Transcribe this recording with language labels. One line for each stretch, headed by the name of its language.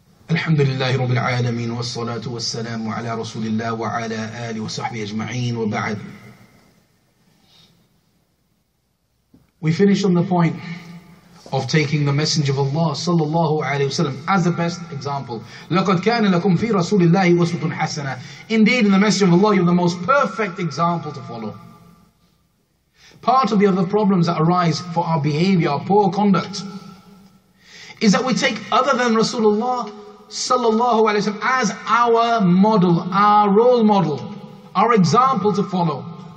Arabic: الحمد لله رب العالمين والصلاة والسلام على رسول الله وعلى آله وصحبه أجمعين وبعد.
English: We finished on the point of taking the Messenger of Allah
Arabic: صلى الله عليه وسلم
English: as the best example.
Arabic: لقد كان لكم في رسول الله أسوة حسنة.
English: Indeed, in the Messenger of Allah, you're the most perfect example to follow. Part of the other problems that arise for our behavior, our poor conduct, is that we take other than Rasulullah sallallahu alayhi wa sallam as our model, our role model, our example to follow.